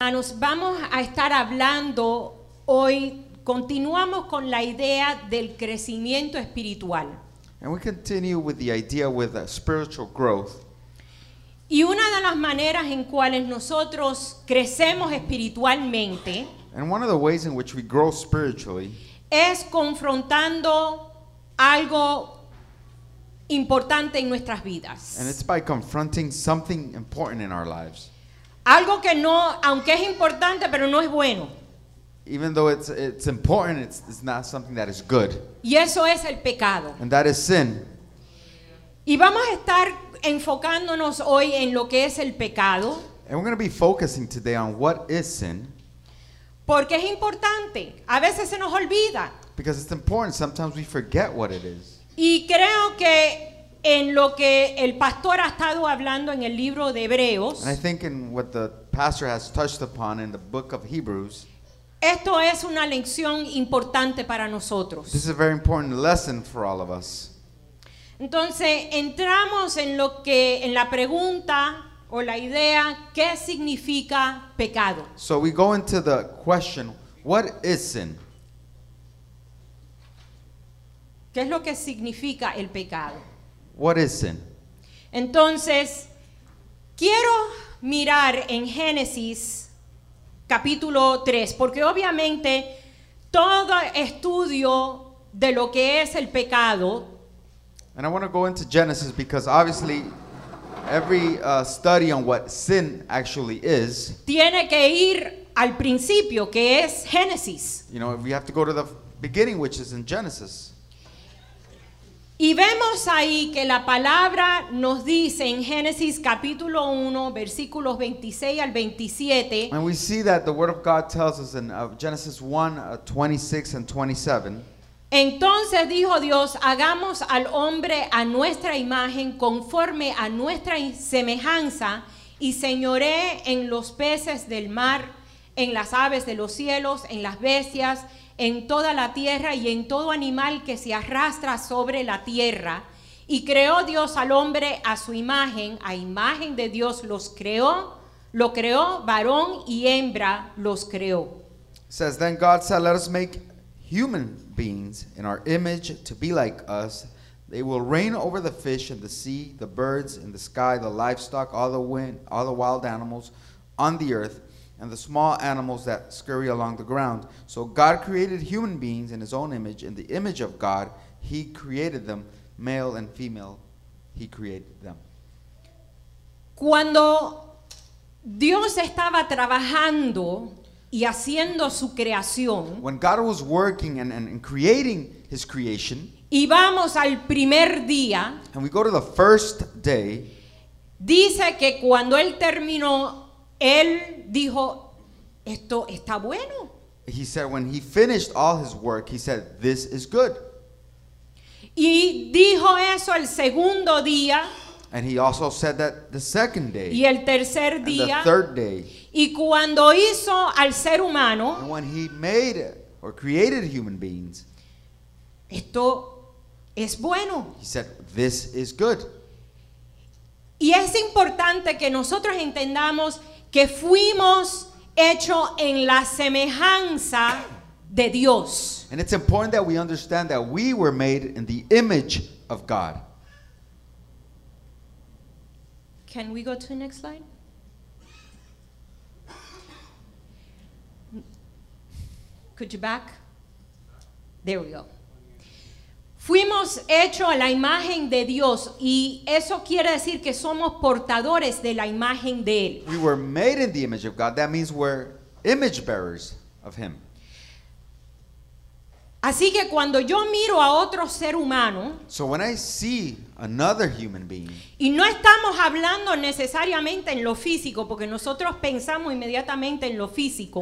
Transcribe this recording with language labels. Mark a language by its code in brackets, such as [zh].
[es] Hermanos, vamos a estar hablando hoy, continuamos con la idea del crecimiento espiritual. [en] And we continue with the idea with spiritual growth. [es] Y una de las maneras en cuales nosotros crecemos espiritualmente, [en] and one of the ways in which we grow spiritually, [es] es confrontando algo importante en nuestras vidas. [en] And it's by confronting something important in our lives. [es] Algo que no, aunque es importante, pero no es bueno. [en] Even though it's important, it's not something that is good. [es] Y eso es el pecado. [en] And that is sin. [es] Y vamos a estar enfocándonos hoy en lo que es el pecado. [en] And we're going to be focusing today on what is sin. [es] Porque es importante. A veces se nos olvida. [en] Because it's important. Sometimes we forget what it is. [es] Y creo que en lo que el pastor ha estado hablando en el libro de Hebreos, [en] and I think in what the pastor has touched upon in the book of Hebrews, [es] esto es una lección importante para nosotros. [en] This is a very important lesson for all of us. [es] Entonces, entramos en lo que, en la pregunta o la idea, ¿qué significa pecado? [en] So we go into the question, what is sin? [es] ¿Qué es lo que significa el pecado? [en] What is sin? [es] Entonces, quiero mirar en Génesis capítulo 3, porque obviamente todo estudio de lo que es el pecado. [en] And I want to go into Genesis because obviously every study on what sin actually is [es] tiene que ir al principio, que es Génesis. [en] You know, we have to go to the beginning, which is in Genesis. [es] Y vemos ahí que la palabra nos dice en Génesis capítulo 1, versículos 26 al 27. [en] And we see that the word of God tells us in Genesis 1, 26 and 27. [es] Entonces dijo Dios, hagamos al hombre a nuestra imagen, conforme a nuestra semejanza, y señoré en los peces del mar, en las aves de los cielos, en las bestias, en toda la tierra y en todo animal que se arrastra sobre la tierra. Y creó Dios al hombre a imagen de Dios los creó, lo creó varón y hembra los creó. [en] It says, then God said, let us make human beings in our image to be like us. They will reign over the fish in the sea, the birds in the sky, the livestock, all the wind, all the wild animals on the earth, and the small animals that scurry along the ground. So God created human beings in his own image. In the image of God, he created them. Male and female, he created them. [es] Cuando Dios estaba trabajando y haciendo su creación, [en] when God was working and creating his creation, [es] y vamos al primer día, [en] and we go to the first day, [es] dice que cuando él terminó, él dijo, esto está bueno. [en] He said when he finished all his work, he said, this is good. [es] Y dijo eso el segundo día. [en] And he also said that the second day. [es] Y el tercer día. [en] And the third day. [es] Y cuando hizo al ser humano. [en] And when he made or created human beings. [es] Esto es bueno. [en] He said, this is good. [es] Y es importante que nosotros entendamos que fuimos hecho en la semejanza de Dios. [en] And it's important that we understand that we were made in the image of God. Can we go to the next slide? Could you back? There we go. [es] Fuimos hecho a la imagen de Dios y eso quiere decir que somos portadores de la imagen de él. [en] We were made in the image of God. That means we're image bearers of him. [es] Así que cuando yo miro a otro ser humano, [en] so when I see another human being, [es] y no estamos hablando necesariamente en lo físico porque nosotros pensamos inmediatamente en lo físico.